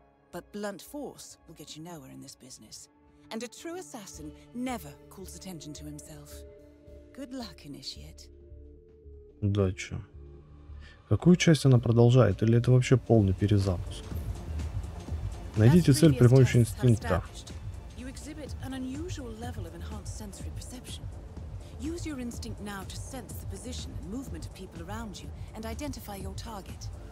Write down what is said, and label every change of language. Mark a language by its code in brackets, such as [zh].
[en] But blunt force will get you nowhere in this business. And a true assassin never calls attention to himself. Good luck, initiate. [ru] Удачи. Какую часть она продолжает, или это вообще полный перезапуск? Найдите цель при помощи инстинкта. [en] You exhibit an unusual level of enhanced sensory perception. Use your instinct now to sense the position and movement of people around you and identify your target.